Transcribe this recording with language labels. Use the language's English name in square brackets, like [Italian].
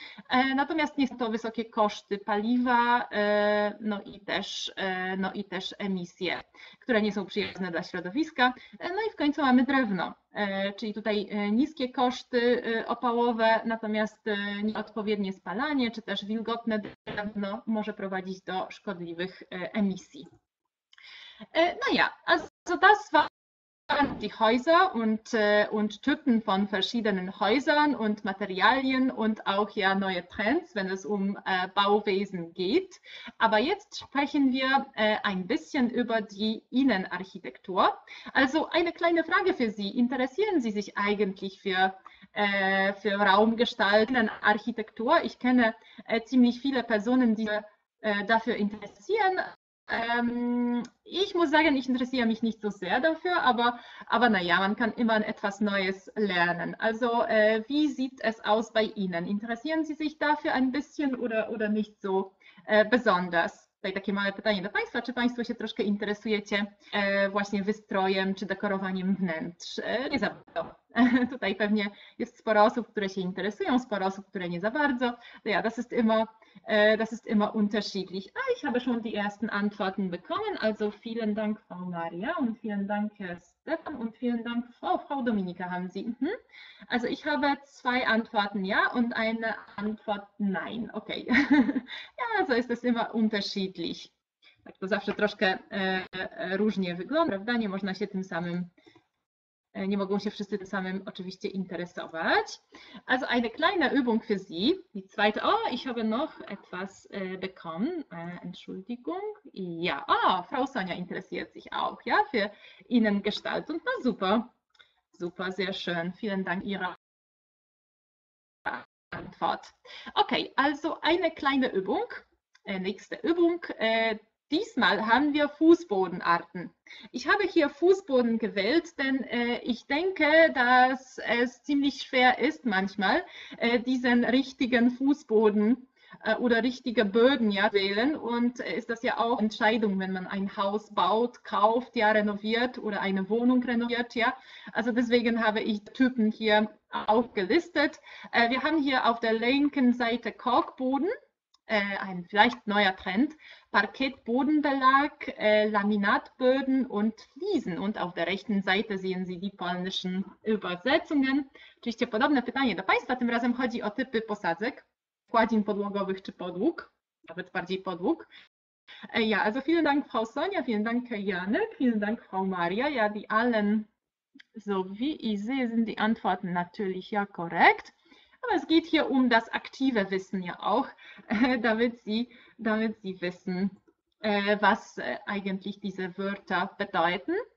[Polish] Natomiast niestety to wysokie koszty paliwa, no i też emisje, które nie są przyjazne dla środowiska. No i w końcu mamy drewno, czyli tutaj niskie koszty opałowe, natomiast nieodpowiednie spalanie czy też wilgotne drewno może prowadzić do szkodliwych emisji. [German] Also das war die Häuser und Typen von verschiedenen Häusern und Materialien und auch ja neue Trends, wenn es um Bauwesen geht. Aber jetzt sprechen wir ein bisschen über die Innenarchitektur. Also eine kleine Frage für Sie. Interessieren Sie sich eigentlich für Raumgestalt, Innenarchitektur? Ich kenne ziemlich viele Personen, die dafür interessieren. Ich muss sagen, ich interessiere mich nicht so sehr dafür, aber naja, man kann immer etwas Neues lernen. Also, wie sieht es aus bei Ihnen? Interessieren Sie sich dafür ein bisschen oder nicht so besonders? [Polish] Tutaj takie małe pytanie do Państwa. Czy Państwo się troszkę interesujecie właśnie wystrojem czy dekorowaniem wnętrz? Nie za bardzo. Tutaj pewnie jest sporo osób, które się interesują, sporo osób, które nie za bardzo. [German] Ja, das ist immer unterschiedlich. Ah, ich habe schon die ersten Antworten bekommen. Also vielen Dank, Frau Maria, und vielen Dank, Herr Stefan, und vielen Dank, Frau Dominika, haben Sie. Also ich habe zwei Antworten ja und eine Antwort nein. Okay. Ja, so ist es immer unterschiedlich. [Polish] Tak to zawsze troszkę różnie wygląda, prawda? Nie można się tym samym. Nie mogą się wszyscy tym samym oczywiście interesować. [German] Also eine kleine Übung für Sie. Die zweite. Oh, ich habe noch etwas bekommen. Entschuldigung. Ja, oh, Frau Sonja interessiert sich auch, ja, für Innengestaltung. Na super. Super, sehr schön. Vielen Dank Ihrer Antwort. Okay, also eine kleine Übung. Nächste Übung. Diesmal haben wir Fußbodenarten. Ich habe hier Fußboden gewählt, denn ich denke, dass es ziemlich schwer ist manchmal, diesen richtigen Fußboden oder richtige Böden ja wählen. Und ist das ja auch Entscheidung, wenn man ein Haus baut, kauft, ja renoviert oder eine Wohnung renoviert, ja. Also deswegen habe ich Typen hier aufgelistet. Wir haben hier auf der linken Seite Korkboden. Ein vielleicht neuer Trend, Parkettbodenbelag, Laminatböden und Fliesen. Und auf der rechten Seite sehen Sie die polnischen Übersetzungen. [Polish] Oczywiście podobne pytanie do Państwa, tym razem chodzi o typy posadzek, kładzin podłogowych czy podłóg, nawet bardziej podłóg. [German] Ja, also vielen Dank, Frau Sonja, vielen Dank, Herr Janek, vielen Dank, Frau Maria. Ja, die allen, so wie ich sehe, sind die Antworten natürlich ja korrekt. Aber es geht hier um das aktive Wissen ja auch, damit Sie wissen, was eigentlich diese Wörter bedeuten.